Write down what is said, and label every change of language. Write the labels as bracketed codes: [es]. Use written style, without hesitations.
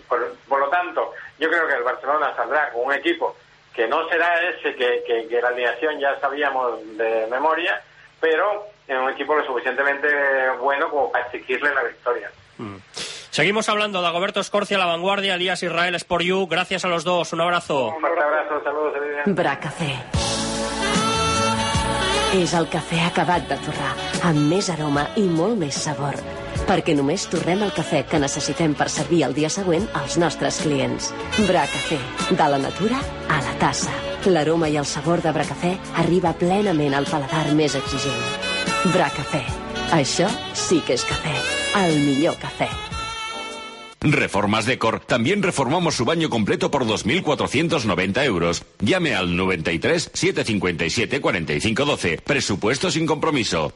[es] Por lo tanto, yo creo que el Barcelona saldrá con un equipo que no será ese que la alineación ya sabíamos de memoria, pero en un equipo lo suficientemente bueno como para exigirle la victoria. Seguimos hablando de Dagoberto Escorcia, La Vanguardia, Elías Israel, Sport You. Gracias a los dos, un abrazo. Un fuerte abrazo, saludos, Elías. [ca] Braca C. És el cafè acabat de torrar, amb més aroma i molt més sabor. Perquè només torrem el cafè que necessitem per servir el dia següent als nostres clients. Bracafé, de la natura a la tassa. L'aroma i el sabor de Bracafé arriba plenament al paladar més exigent. Bracafé, això sí que és cafè, el millor cafè. [es] Reformas Decor. También reformamos su baño completo por 2.490 euros. Llame al 93-757-4512. Presupuesto sin compromiso.